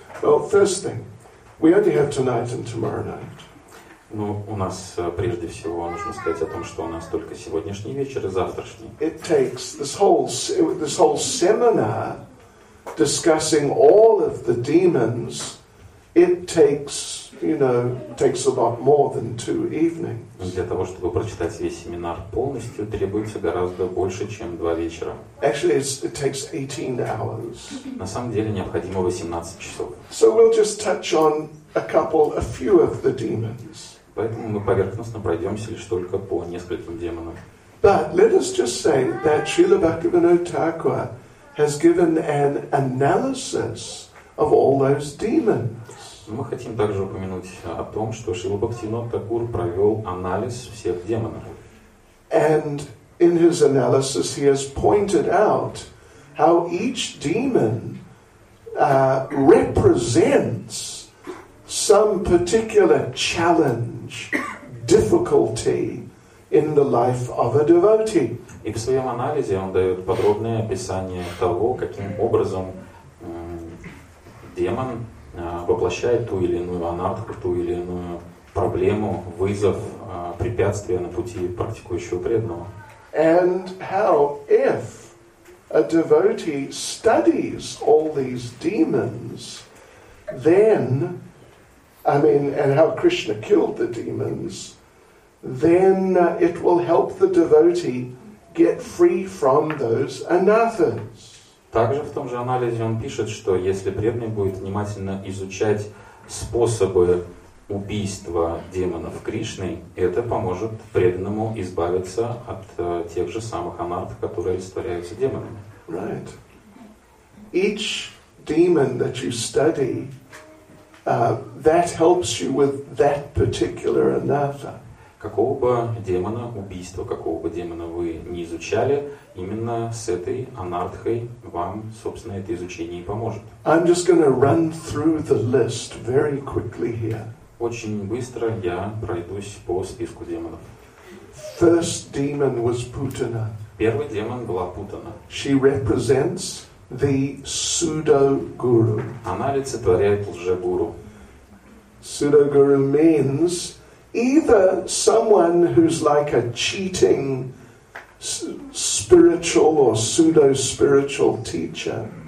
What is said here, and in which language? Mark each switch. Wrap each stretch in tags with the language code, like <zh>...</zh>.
<en>Well, first thing, we only have tonight and tomorrow night.</en> <ru>Ну, у нас прежде всего нужно сказать о том, что у нас только сегодняшний вечер и завтрашний.</ru> <en>It takes this whole seminar discussing all of the demons. It takes you know, takes a lot more than two evenings.</en> <ru>Для того, чтобы прочитать весь семинар полностью, требуется гораздо больше, чем два вечера.</ru> <en>Actually, it takes 18 hours.</en> <ru>На самом деле необходимо 18 часов.</ru> <en>So we'll just touch on a few of the demons.</en> <ru>Поэтому мы поверхностно пройдемся лишь только по нескольким демонам.</ru> <en>But let us just say that Srila Bhaktivinoda Thakur has given an analysis of all those demons.</en> <ru>Мы хотим также упомянуть о том, что Шрила Бхактивинода Тхакур провел анализ всех демонов.</ru> <en>And in his analysis he has pointed out how each demon represents some particular challenge, difficulty in the life of a devotee.</en> <ru>И в своем анализе он дает подробное описание того, каким образом демон воплощает ту или иную анатху, ту или иную проблему, вызов, препятствие на пути практикующего преданного.</ru> <en>And how, if a devotee studies all these demons, then, and how Krishna killed the demons, then it will help the devotee get free from those anathas.</en> <ru>Также в том же анализе он пишет, что если преданный будет внимательно изучать способы убийства демонов Кришны, это поможет преданному избавиться от тех же самых анат, которые растворяются демонами.</ru> <en>Right. Each demon that you study, that helps you with that particular anatha.</en> <ru>Какого бы демона, убийства, какого бы демона вы не изучали, именно с этой анартхой вам, собственно, это изучение и поможет.</ru> <en>I'm just going to run through the list very quickly here.</en> <ru>Очень быстро я пройдусь по списку демонов.</ru> <en>First demon was Putana.</en> <ru>Первый демон была Путана.</ru> <en>She represents the pseudo-guru.</en> <ru>Она олицетворяет лже-гуру.</ru> <en>Pseudo-guru means either someone who's like a cheating spiritual or pseudo-spiritual teacher.</en>